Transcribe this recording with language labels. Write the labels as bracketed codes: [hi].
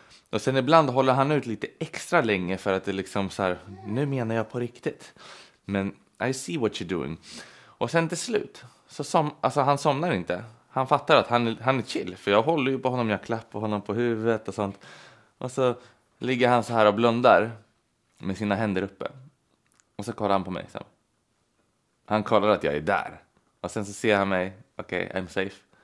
[sv] Och sen ibland håller han ut lite extra länge. För att det liksom så här. Nu menar jag på riktigt. [en] Men I see what you're doing. [sv] Och sen till slut. Så alltså han somnar inte. Han fattar att han är chill. För jag håller ju på honom. Jag klappar honom på huvudet och sånt. Och så ligger han så här och blundar. Med sina händer uppe. Och så kollar han på mig sen. Han kollar att jag är där. Och sen så ser han mig. Okej, [en] okay, I'm safe.